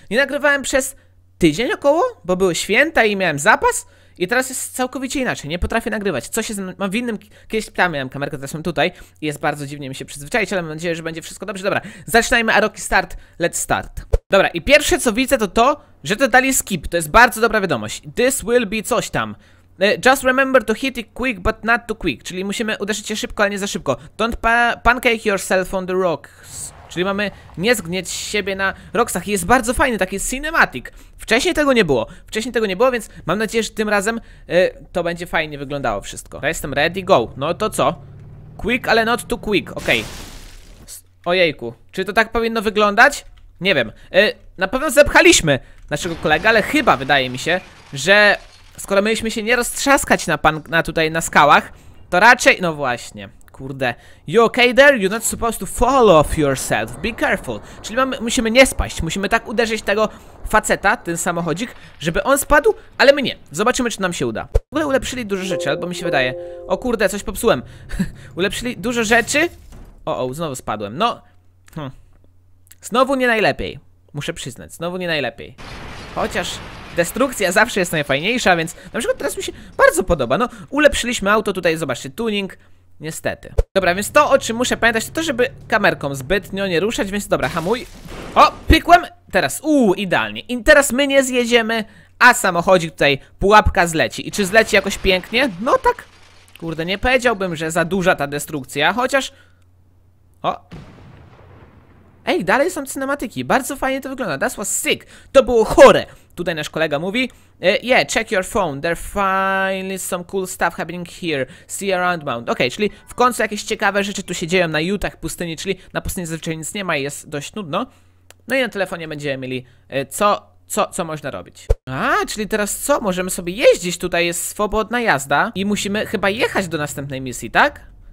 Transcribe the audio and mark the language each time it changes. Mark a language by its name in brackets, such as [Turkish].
[Polish] Nie nagrywałem przez tydzień około, bo były święta i miałem zapas i teraz jest całkowicie inaczej, nie potrafię nagrywać. Co się ze mną... Mam w innym... Kiedyś tam miałem kamerkę, teraz mam tutaj i jest bardzo dziwnie mi się przyzwyczaić, ale mam nadzieję, że będzie wszystko dobrze. Dobra, zaczynajmy A Rocky Start, [English] let's start. [Polish] Dobra, i pierwsze co widzę to, że dodali skip, to jest bardzo dobra wiadomość. [English] This will be [Polish] coś tam. [English] Just remember to hit it quick, but not too quick. [Polish] Czyli musimy uderzyć się szybko, ale nie za szybko. [English] Don't pancake yourself on the rocks. [Polish] Czyli mamy nie zgnieć siebie na rocksach. I jest bardzo fajny, taki cinematic. Wcześniej tego nie było. Wcześniej tego nie było, więc mam nadzieję, że tym razem to będzie fajnie wyglądało wszystko. Ja jestem [English] ready, go. [Polish] No to co? [English] Quick, ale not too quick. [Polish] Okej. Ojejku. Czy to tak powinno wyglądać? Nie wiem. Na pewno zepchaliśmy naszego kolegę, ale chyba wydaje mi się, że... Skoro mieliśmy się nie roztrzaskać na skałach, to raczej... No właśnie, kurde. [English] You okay there? You're not supposed to fall off yourself. Be careful. [Polish] Czyli musimy nie spaść. Musimy tak uderzyć tego faceta, ten samochodzik, żeby on spadł, ale my nie. Zobaczymy, czy nam się uda. W ogóle ulepszyli dużo rzeczy, albo mi się wydaje. O kurde, coś popsułem. Ulepszyli dużo rzeczy. O, znowu spadłem. No, znowu nie najlepiej. Muszę przyznać, znowu nie najlepiej. Chociaż... Destrukcja zawsze jest najfajniejsza, więc na przykład teraz mi się bardzo podoba. No, ulepszyliśmy auto tutaj, zobaczcie, tuning, niestety. Dobra, więc to, o czym muszę pamiętać, to żeby kamerką zbytnio nie ruszać, więc dobra, hamuj. O, pykłem, teraz, idealnie. I teraz my nie zjedziemy, a samochodzik tutaj, pułapka zleci. I czy zleci jakoś pięknie? No tak, kurde, nie powiedziałbym, że za duża ta destrukcja, chociaż... O... Ej, dalej są cinematyki. Bardzo fajnie to wygląda. [English] That was sick. [Polish] To było chore. Tutaj nasz kolega mówi. [English] Yeah, check your phone. There finally some cool stuff happening here. See around mount. [Polish] Okej, czyli w końcu jakieś ciekawe rzeczy tu się dzieją na Utah pustyni, czyli na pustyni zazwyczaj nic nie ma i jest dość nudno. No i na telefonie będziemy mieli co można robić. A, czyli teraz co? Możemy sobie jeździć. Tutaj jest swobodna jazda i musimy chyba jechać do następnej misji, tak?